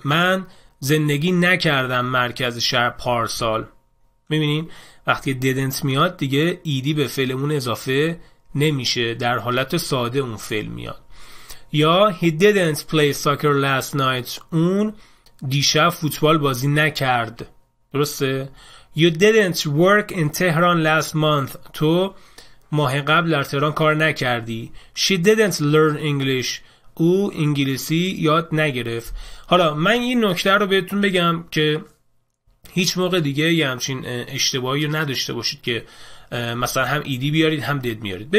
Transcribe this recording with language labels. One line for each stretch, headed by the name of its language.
Persian: من زندگی نکردم مرکز شهر پارسال. ببینید وقتی didn't میاد دیگه ایدی به فعلمون اضافه نمیشه، در حالت ساده اون فعل میاد. یا
English: he didn't play soccer last night.
Persian: اون دیشب فوتبال بازی نکرد. درسته؟
English: You didn't work in Tehran last month.
Persian: تو ماه قبل در تهران کار نکردی.
English: She didn't learn English.
Persian: او انگلیسی یاد نگرفت. حالا من این نکته رو بهتون بگم که هیچ موقع دیگه یه همچین اشتباهی رو نداشته باشید که مثلا هم ایدی بیارید هم دید میارید.